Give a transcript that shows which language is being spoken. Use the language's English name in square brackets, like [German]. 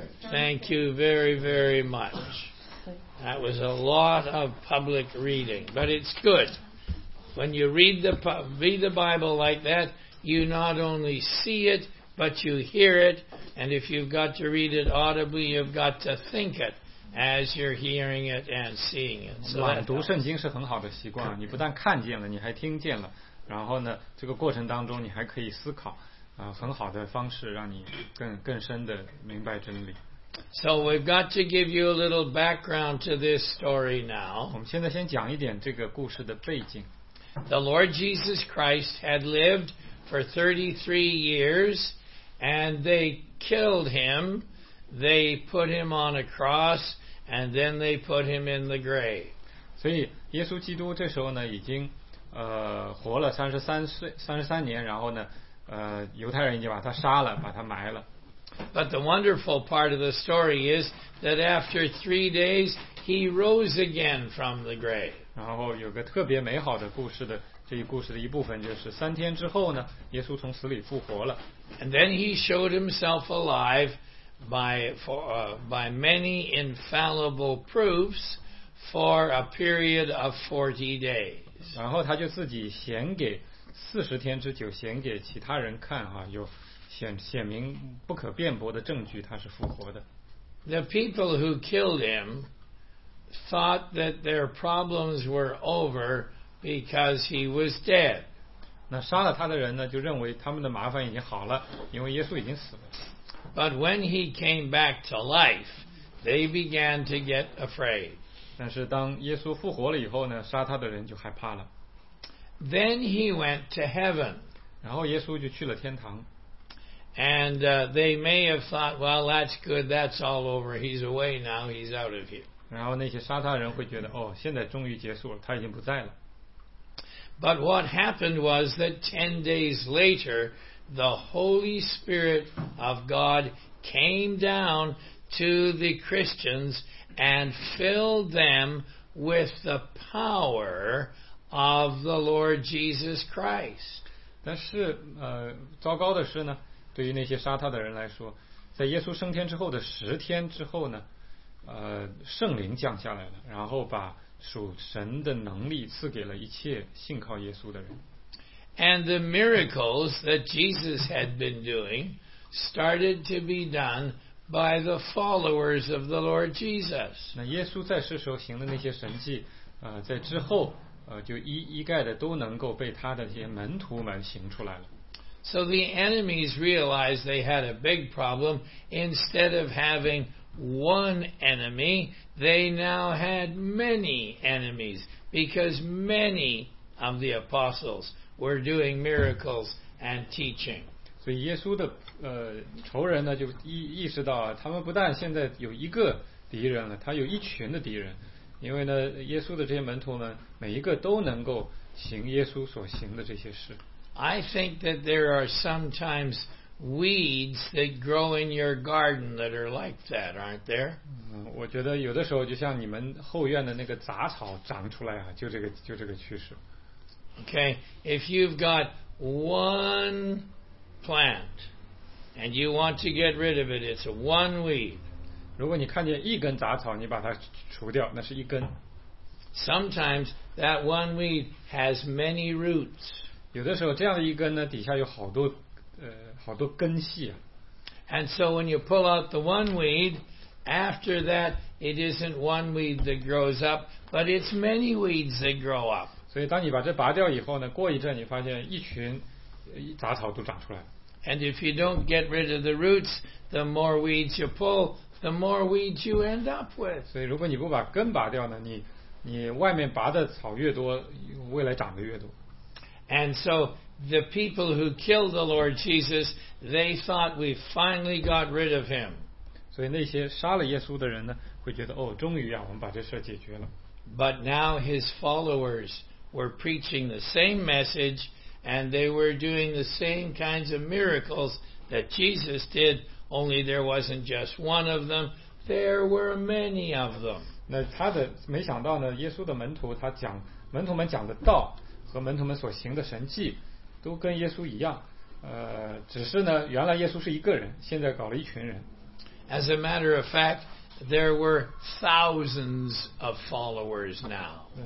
[English] Thank you very, very much. That was a lot of public reading, but it's good. When you read the Bible like that, you not only see it, but you hear it, and if you've got to read it audibly, you've got to think it as you're hearing it and seeing it. So [Chinese] 朗读圣经是很好的习惯，你不但看见了，你还听见了，然后呢，这个过程当中你还可以思考，很好的方式让你更深的明白真理。 [English] So we've got to give you a little background to this story now. [Chinese] 我们现在先讲一点这个故事的背景。 [English] The Lord Jesus Christ had lived for 33 years, and they killed him. They put him on a cross, and then they put him in the grave. [Chinese] 所以耶稣基督这时候呢，已经活了33年，然后呢，犹太人已经把他杀了，把他埋了。 [English] But the wonderful part of the story is that after 3 days, he rose again from the grave. [Chinese] 然后有个特别美好的故事的。这一故事的一部分就是三天之后呢，耶稣从死里复活了。 [English] And then he showed himself alive by many infallible proofs for a period of 40 days. [Chinese] 然后他就自己显给40天之久，显给其他人看哈，有显明不可辩驳的证据，他是复活的。 [English] The people who killed him thought that their problems were over. Because he was dead. [Chinese] 那杀了他的人呢，就认为他们的麻烦已经好了，因为耶稣已经死了。 [English] But when he came back to life, they began to get afraid. [Chinese] 但是当耶稣复活了以后呢，杀他的人就害怕了。 [English] Then he went to heaven. [Chinese] 然后耶稣就去了天堂。 [English] And they may have thought, well, that's good, that's all over. He's away now, he's out of here. [Chinese] 然后那些杀他人会觉得，哦，现在终于结束了，他已经不在了。 [English] But what happened was that 10 days later, the Holy Spirit of God came down to the Christians and filled them with the power of the Lord Jesus Christ. [Chinese] 但是，糟糕的是呢，对于那些杀他的人来说，在耶稣升天之后的10天之后呢，圣灵降下来了，然后把属神的能力赐给了一切信靠耶稣的人。 [English] And the miracles that Jesus had been doing started to be done by the followers of the Lord Jesus. [Chinese] 那耶稣在世时候行的那些神迹，在之后，就一概的都能够被他的这些门徒们行出来了。 [English] So the enemies realized they had a big problem. Instead of having one enemy, they now had many enemies because many of the apostles were doing miracles and teaching. [Chinese] 所以耶稣的仇人呢，就意识到、啊、他们不但现在有一个敌人了，他有一群的敌人，因为呢，耶稣的这些门徒们每一个都能够行耶稣所行的这些事。 [English] I think that there are sometimes weeds that grow in your garden that are like that, aren't there? [Chinese] 我觉得有的时候就像你们后院的那个杂草长出来啊，就这个趋势。 [English] Okay, if you've got one plant and you want to get rid of it, it's one weed. [Chinese] 如果你看见一根杂草，你把它除掉，那是一根。 [English] Sometimes that one weed has many roots. [Chinese] 有的时候这样的一根呢，底下有好多好多根系啊。 [English] And so when you pull out the one weed, after that it isn't one weed that grows up, but it's many weeds that grow up. [Chinese] 所以当你把这拔掉以后呢，过一阵你发现一群杂草都长出来。 [English] And if you don't get rid of the roots, the more weeds you pull, the more weeds you end up with. [Chinese] 所以如果你不把根拔掉呢，你外面拔的草越多，未来长得越多。 [English] And so the people who killed the Lord Jesus, they thought we finally got rid of him. [Chinese] 所以那些杀了耶稣的人呢，会觉得哦，终于啊，我们把这事解决了。 [English] But now his followers were preaching the same message, and they were doing the same kinds of miracles that Jesus did. Only there wasn't just one of them; there were many of them. [Chinese] 那他的没想到呢，耶稣的门徒他讲门徒们讲的道和门徒们所行的神迹。都跟耶稣一样，只是呢，原来耶稣是一个人，现在搞了一群人。 [English] As a matter of fact, there were thousands of followers now.